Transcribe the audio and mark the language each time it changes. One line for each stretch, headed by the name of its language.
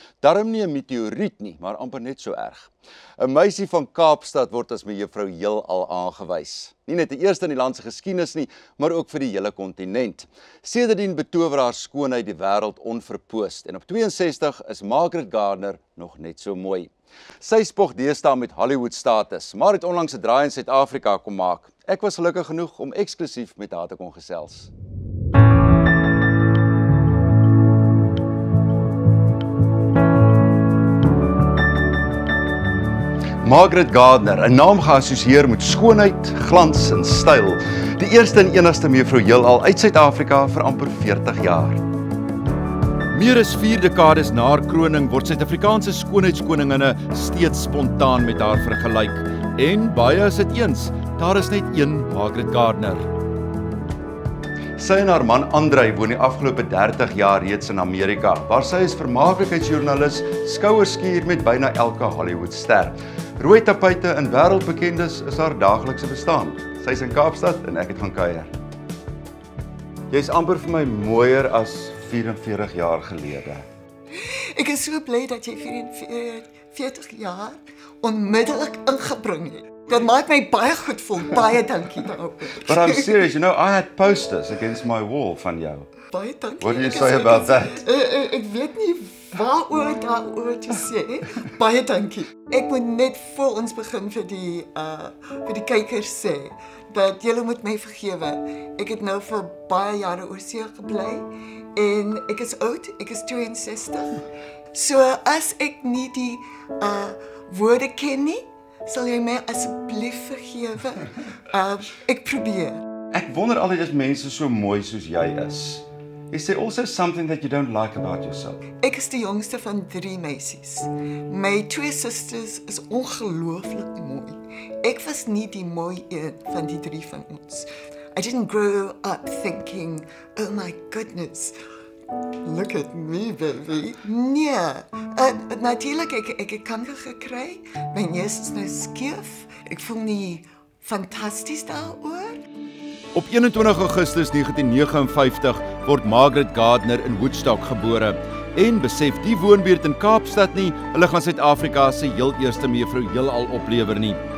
Afrikaans: Darm nie 'n meteoriet nie, maar amper net so erg. 'n Meisie van Kaapstad word as mevrou heelal aangewys. Nie net die eerste in die land se geskiedenis nie, maar ook vir die hele kontinent. Sedertdien betower haar skoonheid die wêreld onverpoost en op 62 is Margaret Gardiner nog net so mooi. Sy spog deesdae met Hollywood status, maar het onlangs 'n draai in Suid-Afrika kom maak. Ek was gelukkig genoeg om eksklusief met haar te kon gesels. Margaret Gardiner, 'n naam geassosieer met skoonheid, glans en styl. Die eerste en enigste mevrou heelal uit Suid-Afrika vir amper 40 jaar. Meer as 4 dekades na haar kroning word Suid-Afrikaanse skoonheidskoninginne steeds spontaan met haar vergelyk en baie is dit eens, daar is net een Margaret Gardiner. Sy en haar man Andre woon die afgelope 30 jaar reeds in Amerika, waar sy as vermaaklikheidsjoernalis skouers skuur met byna elke Hollywood ster. Rooi tapuite en wêreldbekendes is haar daaglikse bestaan. Sy is in Kaapstad en ek het gaan kuier. Jy is amper vir my mooier as 44 jaar gelede. Ek is so bly dat jy 44 jaar onmiddellik ingebring het. Dat maak my baie goed voel. Baie dankie daarvoor.
English: But I'm serious, you know, I had posters against my wall
Afrikaans: van jou. Baie dankie.
English: What do you say about that?
Afrikaans: Ek weet nie waaroor daaroor te sê. Baie dankie. Ek moet net voor ons begin vir die kykers sê dat julle moet my vergewe. Ek het nou vir baie jare oor see gebly en ek is oud. Ek is 62. So as ek nie die woorde ken nie, sal jy my asseblief vergewe? Ek probeer. Ek wonder al hoe mense so mooi soos jy is.
English: You say also something that you don't like about yourself.
Afrikaans: Ek is die jongste van 3 meisies. My 2 susters is ongelooflik mooi. Ek was nie die mooi een van die 3 van ons.
English: I didn't grow up thinking, oh my goodness, look at me, baby.
Afrikaans: Nee, natuurlik, ek het kanker gekry. My neus is nou skeef. Ek voel nie fantasties daaroor. Op 21 Augustus 1959 word Margaret Gardiner in Woodstock gebore en besef die woonbuurt in Kaapstad nie, hulle gaan Suid-Afrika se heel eerste mevrou heelal oplewer nie.